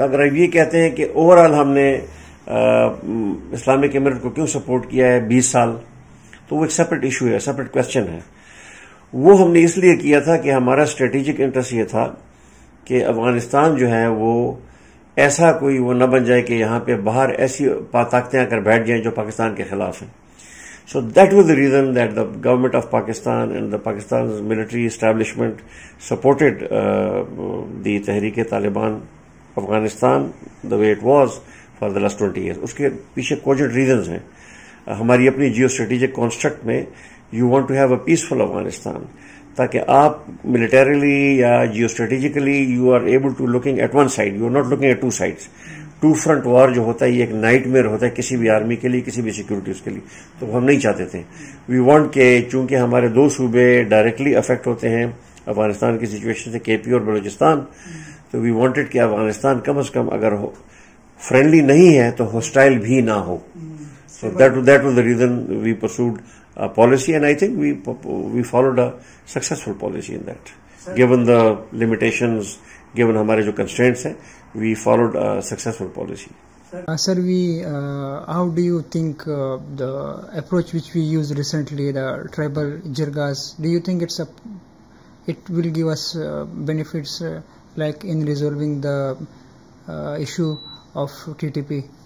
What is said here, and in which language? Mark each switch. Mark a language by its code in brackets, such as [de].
[ur] اگر آپ یہ کہتے ہیں کہ اوور آل ہم نے اسلامک ایمریٹ کو کیوں سپورٹ کیا ہے 20 سال, تو وہ ایک سیپریٹ ایشو ہے, سیپریٹ کوشچن ہے. وہ ہم نے اس لیے کیا تھا کہ ہمارا اسٹریٹجک انٹرسٹ یہ تھا کہ افغانستان جو ہے وہ ایسا کوئی وہ نہ بن جائے کہ یہاں پہ باہر ایسی طاقتیں آ کر بیٹھ جائیں جو پاکستان کے خلاف ہیں. [en] So that was the reason that the government of Pakistan and the Pakistan military establishment supported the Tehreek Taliban Afghanistan the way it was for the last 20 years. [ur] اس کے پیچھے کوجنٹ ریزنز ہیں. ہماری اپنی جیو اسٹریٹجک کانسٹرکٹ میں [en] you want to have a peaceful Afghanistan, [ur] تاکہ آپ militarily یا Jio strategically [en] You are able to looking at one side, you are not looking at two sides. [ur] To front وار جو ہوتا ہے یہ ایک نائٹ میئر ہوتا ہے کسی بھی آرمی کے لیے, کسی بھی سیکورٹیز کے لیے. تو ہم نہیں چاہتے تھے. [en] we want [ur] کہ چونکہ ہمارے دو صوبے ڈائریکٹلی افیکٹ ہوتے ہیں افغانستان کی سچویشن سے, کے پی اور بلوچستان, تو [en] we wanted [ur] کہ افغانستان کم از کم اگر فرینڈلی نہیں ہے تو ہوسٹائل بھی نہ ہو. [en] So that was the reason we pursued policy, and I think we followed a successful policy in that. Given the limitations, given [ur] ہمارے جو کنسٹرینٹس ہیں, [en] We followed a successful policy. Sir, we how do you think the approach which we use recently the tribal jirgas, do you think it will give us benefits like in resolving the issue of T T P?